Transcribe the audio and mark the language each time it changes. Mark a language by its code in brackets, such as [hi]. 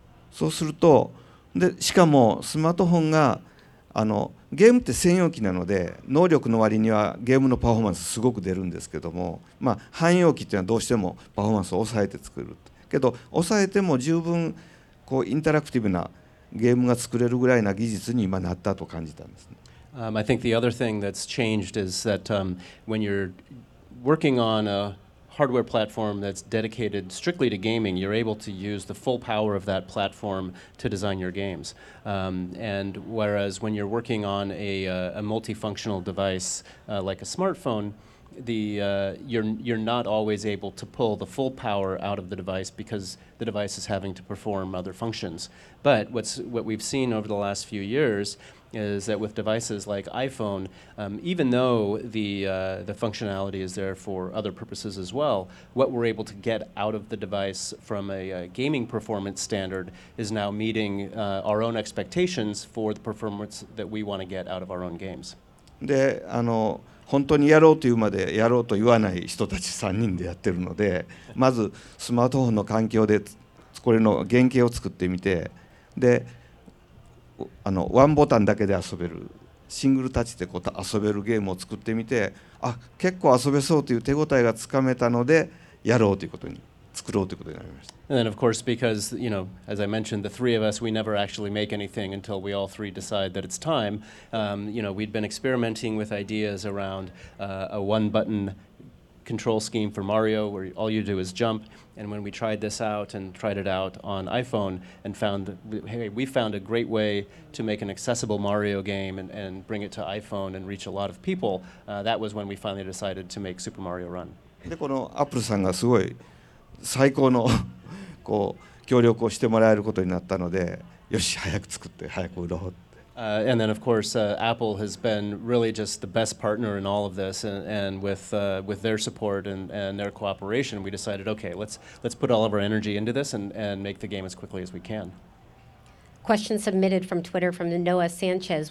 [ja] そうすると、で、しかもスマートフォンが、あの、ゲームって専用機なので、能力の割にはゲームのパフォーマンスすごく出るんですけども、まあ、汎用機っていうのはどうしてもパフォーマンスを抑えて作る。けど抑えても十分こうインタラクティブなゲームが作れるぐらいな技術に今なったと感じたんですね。 [en] I think the other thing that's changed is that when you're working on a hardware platform that's dedicated strictly to gaming, you're able to use the full power of that platform to design your games. And whereas when you're working on a multifunctional device like a smartphone,you're not always able to pull the full power out of the device because the device is having to perform other functions. But what we've seen over the last few years is that with devices like iPhone, even though the functionality is there for other purposes as well, what we're able to get out of the device from a gaming performance standard is now meeting our own expectations for the performance that we want to get out of our own games. [ja] で、あの、本当にやろうというまでやろうと言わない人たち3人でやってるので、まずスマートフォンの環境でこれの原型を作ってみて、で、あの、ワンボタンだけで遊べるシングルタッチでこう遊べるゲームを作ってみて、あ、結構遊べそうという手応えがつかめたのでやろうということに。 [en] And then, of course, because, you know, as I mentioned, the three of us, we never actually make anything until we all three decide that it's time. You know, we'd been experimenting with ideas around a one-button control scheme for Mario, where all you do is jump. And when we tried this out and tried it out on iPhone and found, hey, we found a great way to make an accessible Mario game and bring it to iPhone and reach a lot of people, that was when we finally decided to make Super Mario Run. [ja] で、このアップルさんがすごい最高のこう協力をしてもらえることになったので、よし、早く作って早く売ろうって。 [en] And then of course, Apple has been really just the best partner in all of this, and with their support and their cooperation, we decided, okay, let's put all of our energy into this and make the game as quickly as we can. question submitted from Twitter from Noah Sanchez.